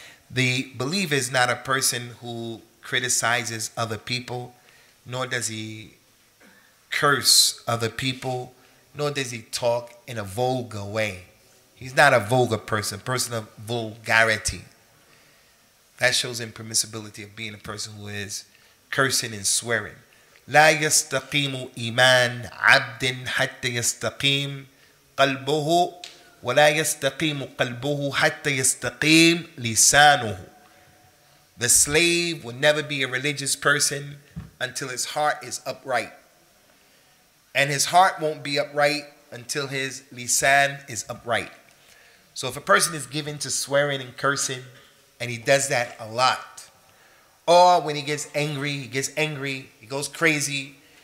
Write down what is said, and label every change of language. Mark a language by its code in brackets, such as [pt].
[en] The believer is not a person who criticizes other people, nor does he curse other people, nor does he talk in a vulgar way. He's not a vulgar person, a person of vulgarity. That shows impermissibility of being a person who is cursing and swearing. [ar] لا يستقيم إيمان عبد حتى يستقيم قلبه ولا يستقيم قلبه حتى يستقيم لسانه. [en] The slave will never be a religious person until his heart is upright. And his heart won't be upright until his lisan is upright. So if a person is given to swearing and cursing, and he does that a lot, or when he gets angry, he goes crazy.